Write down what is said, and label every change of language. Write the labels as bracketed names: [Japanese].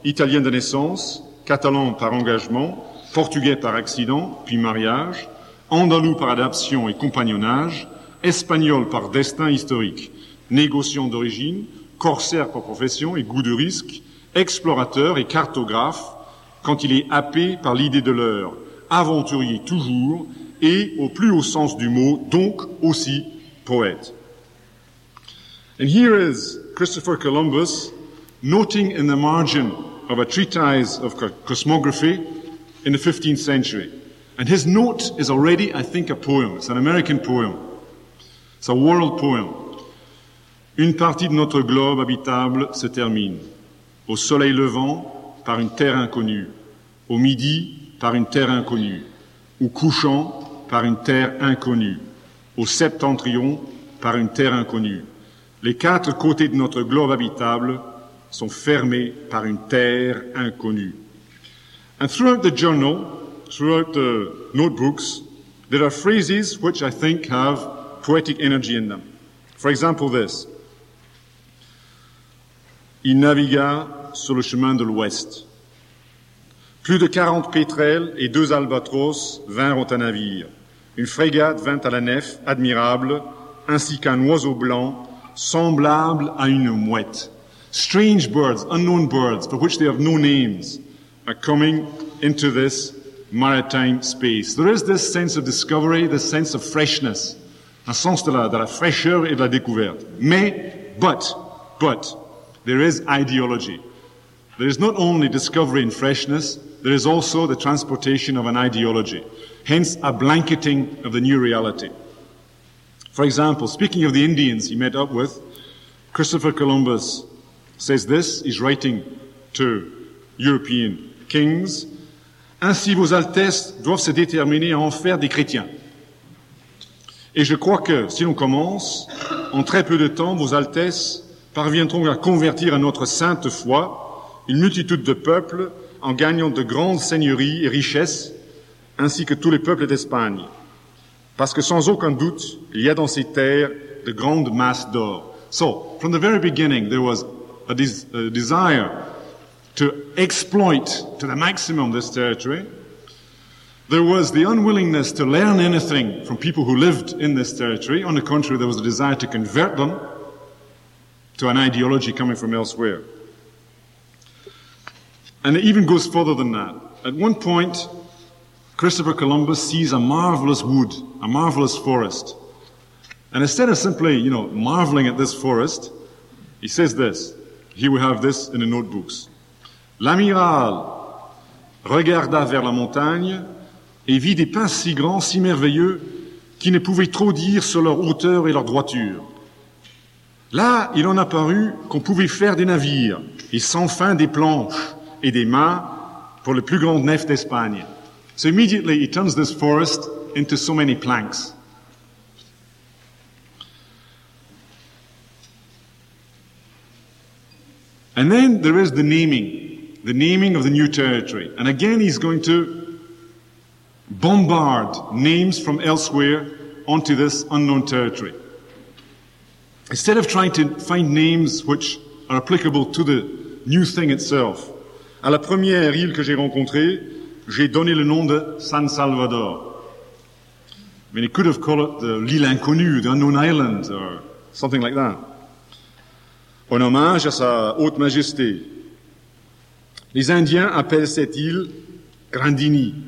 [French] Italien de naissance, catalan par engagement, portugais par accident, puis mariage, andalou par adoption et compagnonnage, espagnol par destin historique, négociant d'origine, corsaire par profession et goût de risque, explorateur et cartographe, quand il est happé par l'idée de l'heure, aventurier toujours, et au plus haut sens du mot, donc aussi poète. [English] And here is Christopher Columbus noting in the margin of a treatise of cosmography in the 15th century. And his note is already, I think, a poem. It's an American poem. It's a world poem. [French] Une partie de notre globe habitable se termine. Au soleil levant, par une terre inconnue. Au midi, par une terre inconnue. Au couchant, par une terre inconnue. Au septentrion, par une terre inconnue. Les quatre côtés de notre globe habitable sont fermés par une terre inconnue. [English] And throughout the journal, throughout the notebooks, there are phrases which I think have poetic energy in them. For example, this. [French] il navigua sur le chemin de l'ouest. Plus de 40 pétrels et 2 albatros vinrent au navire. Une frégate vint à la nef, admirable, ainsi qu'un oiseau blanc, semblable à une mouette. [English] Strange birds, unknown birds, for which they have no names, are coming into this maritime space. There is this sense of discovery, this sense of freshness, [French] un sens de la fraîcheur et de la découverte. Mais, [English] but, there is ideology. There is not only discovery and freshness, there is also the transportation of an ideology. Hence, a blanketing of the new reality. For example, speaking of the Indians he met up with, Christopher Columbus says this, he's writing to European kings, [French] ainsi vos altesses doivent se déterminer à en faire des chrétiens. Et je crois que, si l'on commence, en très peu de temps, vos altesses parviendront à convertir à notre sainte foi une multitude de peuples en gagnant de grandes seigneuries et richesses, ainsi que tous les peuples d'Espagne. Parce que sans aucun doute, il y a dans ces terres de grandes masses d'or. [English] So, from the very beginning, there was a desire to exploit to the maximum this territory. There was the unwillingness to learn anything from people who lived in this territory. On the contrary, there was a desire to convert them to an ideology coming from elsewhere. And it even goes further than that. At one point, Christopher Columbus sees a marvelous wood, a marvelous forest. And instead of simply, you know, marveling at this forest, he says this. Here we have this in the notebooks. [French] L'amiral regarda vers la montagne et vit des pins si grands, si merveilleux, qu'il ne pouvait trop dire sur leur hauteur et leur droiture. Là, il en apparut qu'on pouvait faire des navires et sans fin des planches et des mâts pour les plus grandes nefs d'Espagne. [English] So immediately he turns this forest into so many planks. And then there is the naming of the new territory. And again he's going to bombard names from elsewhere onto this unknown territory. Instead of trying to find names which are applicable to the new thing itself, [French] à la première île que j'ai rencontrée, j'ai donné le nom de San Salvador. [English] I mean, he could have called it the [French] l'île inconnue, [English] the unknown island, or something like that. [French] En hommage à sa haute majesté, les Indiens appellent cette île Grandini.